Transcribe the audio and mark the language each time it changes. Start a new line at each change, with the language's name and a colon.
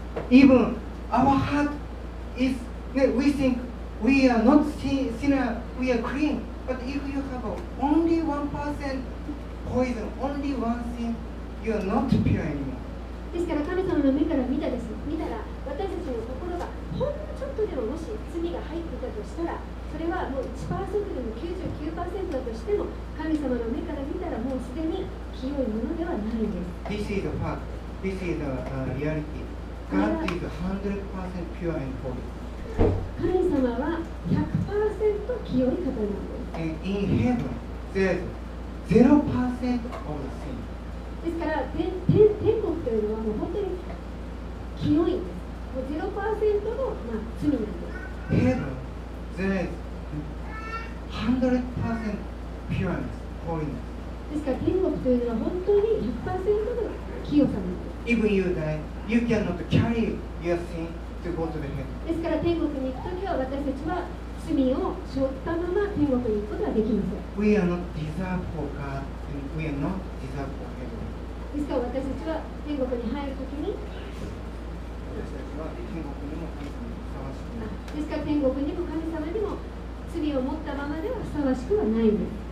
English: Even our heart is, we think we are not sinner, we are clean. But if you have only 1% poison, only one sin, you are not pure anymore.
Japanese: ですから神様の目から見たです。見たら私たちの心がほんのちょっとでももし罪が入っていたとしたら、それはもう 1% でも 99% だとしても神様の目から見たらもうすでに清いものではないんです。
English: This is a fact. This is a reality. God is 100% pure and holy.
Japanese: 神様は 100% 清い方なんです。
English: And in heaven, there's 0% of the sin.
Japanese: ですから 天国というのはもう本当に清いんです。もう 0% の、まあ、罪なんです。
English: Heaven, there is 100% pureness, holiness.
Japanese: ですから天国というのは本当に 100% の清さなんです。
English: Even you die, you cannot carry your sin to go to the heaven.
Japanese: ですから天国に行くときは私たちは罪を背負ったまま天国に行くことはできません。
English: We are not deserve for God. We are not deserve for heaven.
Japanese: ですから私たちは天国に入るときに、ですから天国にも神様にも罪を持ったままではふさわしくはないんです。